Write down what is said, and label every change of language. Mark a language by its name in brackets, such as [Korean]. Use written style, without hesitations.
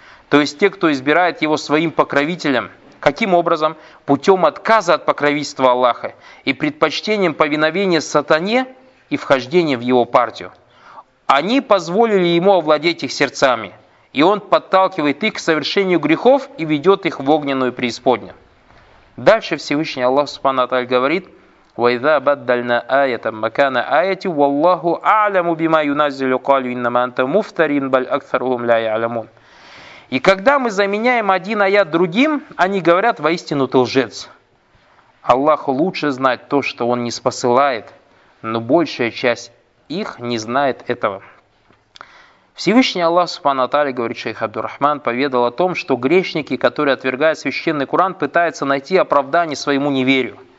[Russian] То есть те, кто избирает его своим покровителем. Каким образом? Путем отказа от покровительства Аллаха и предпочтением повиновения сатане и вхождения в его партию. Они позволили ему овладеть их сердцами. И он подталкивает их к совершению грехов и ведет их в огненную преисподнюю. Дальше Всевышний Аллах субхана ва тааля говорит: [Arabic] وَإِذَا بَدَّلْنَا آيَةً مَكَانَ آيَةٍ وَاللَّهُ أَعْلَمُ بِمَا يُنَزِّلُ قَالُوا إِنَّمَا أَنْتَ مُفْتَرٍ بَلْ أَكْثَرُهُمْ لَا يَعْلَمُونَ. [Russian] И когда мы заменяем один аят другим, они говорят: воистину ты лжец. Аллах лучше знает то, что он не спосылает, но большая часть их не знает этого. Всевышний Аллах субхана ва тааля говорит, шейх Абдур-Рахман поведал о том, что грешники, которые отвергают священный Коран, пытаются найти оправдание своему неверию.